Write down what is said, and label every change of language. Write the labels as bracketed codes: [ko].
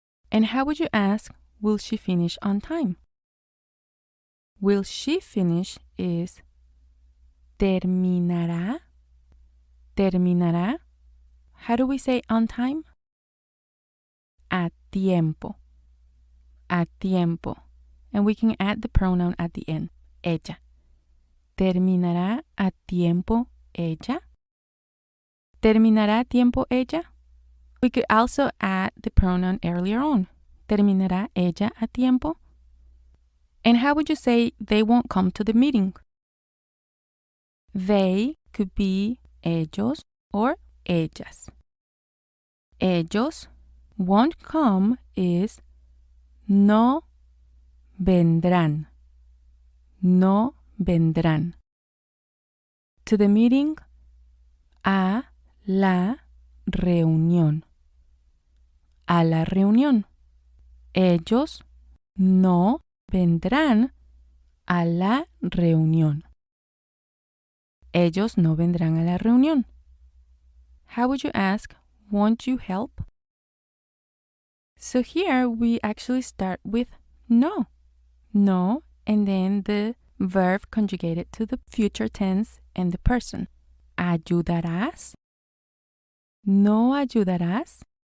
[en] And how would you ask, will she finish on time? Will she finish is [es] terminará. Terminará. [en] How do we say on time? [es] A tiempo. A tiempo. [en] And we can add the pronoun at the end. [es] Ella. Terminará a tiempo ella. Terminará a tiempo ella. [en] We could also add the pronoun earlier on. [es] Terminará ella a tiempo. [en] And how would you say they won't come to the meeting? They could be ellos or ellas. Ellos won't come is [es] no vendrán. No vendrán. [en] To the meeting, [es] a la reunión. A la reunión. Ellos no vendrán a la reunión. Ellos no vendrán a la reunión. [en] How would you ask, won't you help? So here we actually start with no. No, and then the verb conjugated to the future tense and the person. [es] Ayudarás? No ayudarás?